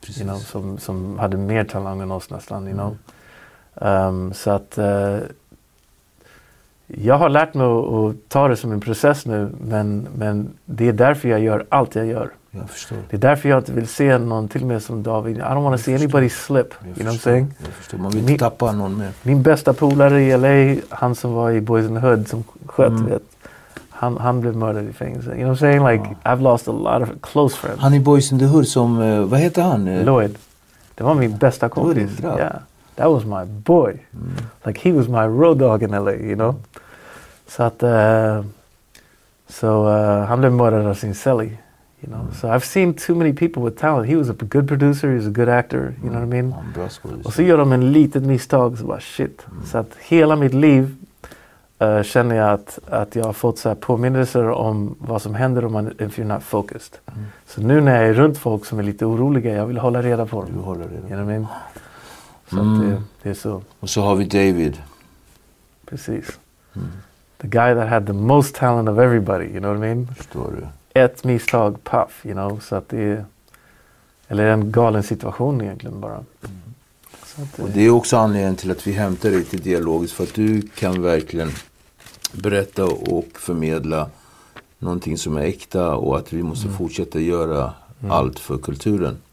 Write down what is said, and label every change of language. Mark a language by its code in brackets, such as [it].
[en] You know, [sv] som hade mer talang än oss nästan, [en] you know. [sv] Så att jag har lärt mig att ta det som en process nu, men det är därför jag gör allt jag gör. Jag förstår. Det är därför jag inte vill se någon till mig som David. [en] I don't want to see anybody slip, you know what I'm saying? [sv] Jag förstår, man vill inte tappa någon mer. Min bästa polare i LA, han som var i Boys in the Hood som sköt, vet, han blev mördad i fängelse. [en] You know what I'm saying? Like, ja. I've lost a lot of close friends. [sv] Han i Boys in the Hood som, vad heter han? Lloyd. Det var min bästa kompis. Ja. [en] That was my boy. Like he was my road dog in LA, you know? [sv] Så att han blev mördad av sin celly, [en] you know? So I've seen too many people with talent. He was a good producer, he was a good actor, you know what I mean? [sv] Och så gör de en litet misstag, så bara shit. Så att hela mitt liv känner jag att jag har fått så här påminnelser om vad som händer om man [en] if you're not focused. [sv] Så nu när jag är runt folk som är lite oroliga, jag vill hålla reda på dem. Du håller reda. [en] You know what I mean? [sv] Så det är så. Och så har vi David. Precis. [en] The guy that had the most talent of everybody, you know what I mean? [sv] Förstår du. Ett misstag, puff, [en] you know? [sv] Så att det är, eller en galen situation egentligen bara. Så att det. Och det är också anledningen till att vi hämtar dig till dialogiskt. För att du kan verkligen berätta och förmedla någonting som är äkta. Och att vi måste fortsätta göra allt för kulturen.